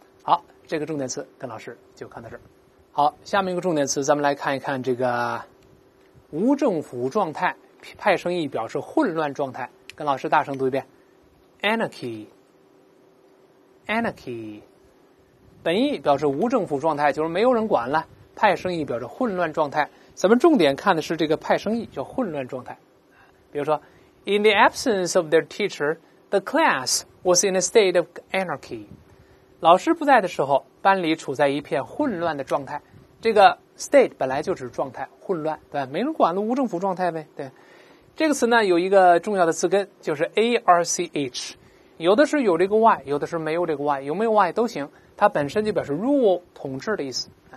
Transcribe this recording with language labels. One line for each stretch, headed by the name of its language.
Chinese: 好，这个重点词跟老师就看到这儿。好，下面一个重点词咱们来看一看这个无政府状态，派生意表示混乱状态，跟老师大声读一遍 anarchy。本意表示无政府状态，就是没有人管了，派生意表示混乱状态。咱们重点看的是这个派生意叫混乱状态。比如说
English: In the absence of their teacher, the class was in a state of anarchy。
Chinese: 老师不在的时候，班里处在一片混乱的状态。这个 state 本来就指状态，混乱，对吧？没人管了，无政府状态呗。对，这个词呢有一个重要的词根，就是 arch。有的是有这个 y， 有的是没有这个 y， 有没有 y 都行，它本身就表示 rule 统治的意思。